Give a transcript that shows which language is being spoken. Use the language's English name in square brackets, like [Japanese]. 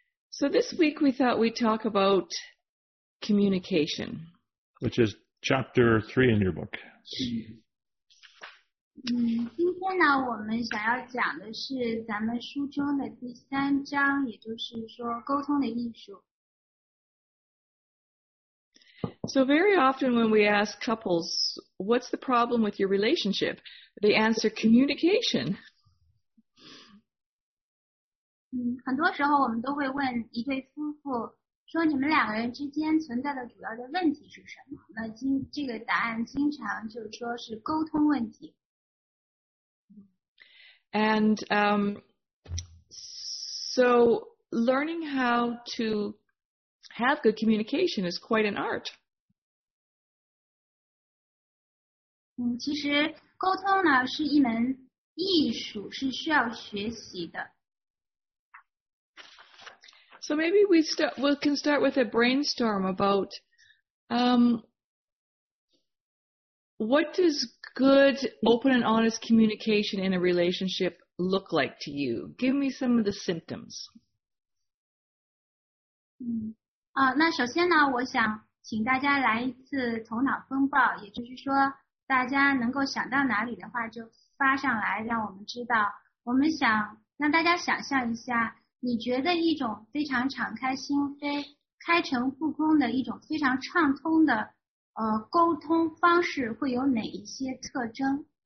[English] So this week we thought we'd talk about communication. Which is chapter 3 in your book. [Chinese] 今天呢，我们想要讲的是咱们书中的第三章，也就是说沟通的艺术。 [English] So very often when we ask couples, what's the problem with your relationship? They answer communication. [Chinese] 很多时候我们都会问一对夫妇，说你们两个人之间存在的主要的问题是什么？那这个答案经常就是说是沟通问题。 [English] And so learning how to have good communication is quite an art. [Chinese] 其实沟通呢是一门艺术，是需要学习的。 [English] So maybe we can start with a brainstorm about what does good, open and honest communication in a relationship look like to you? Give me some of the symptoms. [Chinese] 那首先呢，我想请大家来一次头脑风暴，也就是说大家能够想到哪里的话就发上来，让我们知道。我们想让大家想象一下，你觉得一种非常敞开心扉、开诚布公的一种非常畅通的沟通方式会有哪一些特征？